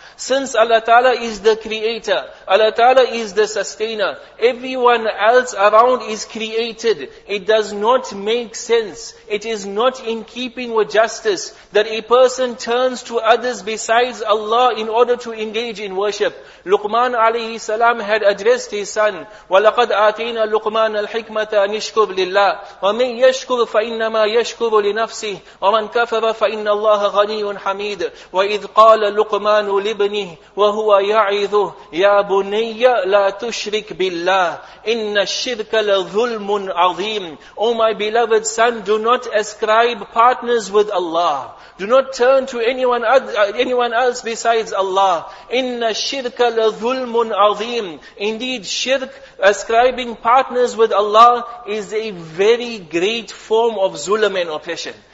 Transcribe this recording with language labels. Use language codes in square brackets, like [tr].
[en] Since Allah Ta'ala is the Creator, Allah Ta'ala is the Sustainer, everyone else around is created. It does not make sense. It is not in keeping with justice that a person turns to others besides Allah in order to engage in worship. Luqman alayhi salam had addressed his son, [ar] وَلَقَدْ آتَيْنَا لُقْمَانَ الْحِكْمَةَ نِشْكُرْ لِلَّهِ وَمَنْ يَشْكُرْ فَإِنَّمَا يَشْكُرُ لِنَفْسِهِ وَمَنْ كَفَرَ فَإِنَّ اللَّهَ غَنِيٌّ حَمِيدٌ وَإِذْ قَالَ لُقْمَانُ لِابْنِهِ وَهُوَ يَعِذُهُ يَا بُنَيَّ لَا تُشْرِكْ بِاللَّهِ إِنَّ الشِّرْكَ لَظُلْمٌ عَظِيمٌ. [en] O my beloved son, do not ascribe partners with Allah. Do not turn to anyone else besides Allah. [ar] إِنَّ الشِّرْكَ لَظُلْمٌ عَظِيمٌ. [en] Indeed, shirk, ascribing partners with Allah, is a very great form of zulm and oppression.